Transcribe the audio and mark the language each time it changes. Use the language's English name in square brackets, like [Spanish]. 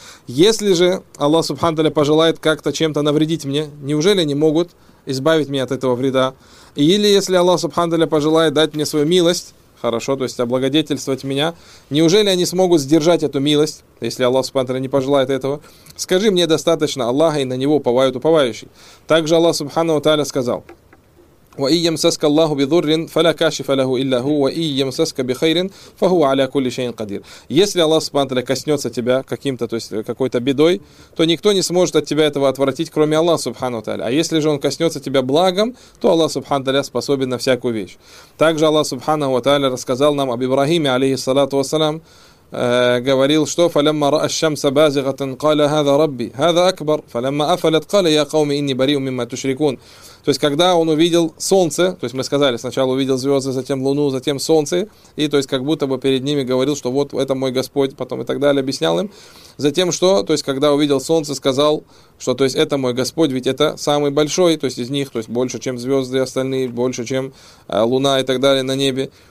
[Russian] Если же Аллах Субхану Тааля пожелает как-то чем-то навредить мне, неужели не могут избавить меня от этого вреда? Или если Аллах Субхану Тааля пожелает дать мне свою милость, хорошо, то есть облагодетельствовать меня, неужели они смогут сдержать эту милость, если Аллах Субхану Тааля не пожелает этого? Скажи мне достаточно Аллаха, и на него уповают уповающие». Также Аллах Субхану Тааля сказал: [Arabic] وإن يمسسك الله بضر فلا كاشف له إلا هو وإن يمسسك بخير فهو على كل شيء قدير. [Russian] Если Аллах Субхану Тааля коснется тебя каким-то, то есть какой-то бедой, то никто не сможет от тебя этого отвратить, кроме Аллаха Субхану Тааля. А если же он коснется тебя благом, то Аллах Субхану Тааля способен на всякую вещь. Также Аллах Субхану Тааля рассказал нам об Ибрахиме, алейхи салату вассалям, говорил, что [Arabic] فَلَمَّا رَأَ الشَّمْسَ بَازِغَةً قَالَ هَذَا رَبِّي هَذَا أَكْبَر فَلَمَّا أَفَلَتْ قَالَ يَا قَوْمِ إِنِّي بَرِيءٌ مِمَّا تُشْرِكُونَ. [Russian] То есть, когда он увидел солнце, то есть, мы сказали, сначала увидел звезды, затем луну, затем солнце, и то есть, как будто бы перед ними говорил, что вот это мой Господь, потом и так далее, объяснял им. Затем что? То есть, когда увидел солнце, сказал, что то есть, это мой Господь, ведь это самый большой, то есть, из них, то есть, больше, чем звезды остальные, больше, чем луна и так далее на небе.